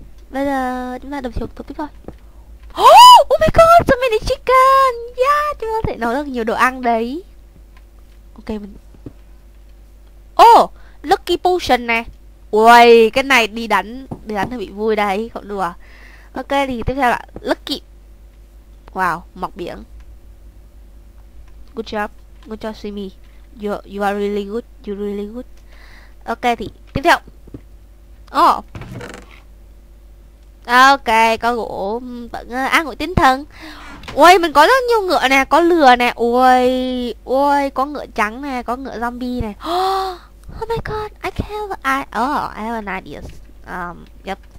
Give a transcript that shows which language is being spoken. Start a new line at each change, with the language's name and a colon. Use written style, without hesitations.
Vietnamese: Bây giờ chúng ta đập thử tiếp thôi.
English: Oh my god, so many chicken.
Vietnamese: Yeah, chúng ta có thể nấu được nhiều đồ ăn đấy. Ok mình. Oh, lucky potion nè. Ui, cái này đi đánh thì bị vui đấy, không đùa. Ok thì tiếp theo là lucky.
English: Wow,
Vietnamese: mọc biển.
English: Good job Simi. You are really good, you really good.
Vietnamese: Ok thì tiếp theo. Oh. Ok, có gỗ, vẫn an ủi tinh thần. Ui, mình có rất nhiều ngựa nè, có lừa nè. Ui, ui, có ngựa trắng nè, có ngựa zombie nè.
English: Oh my god, I have an idea. Yep.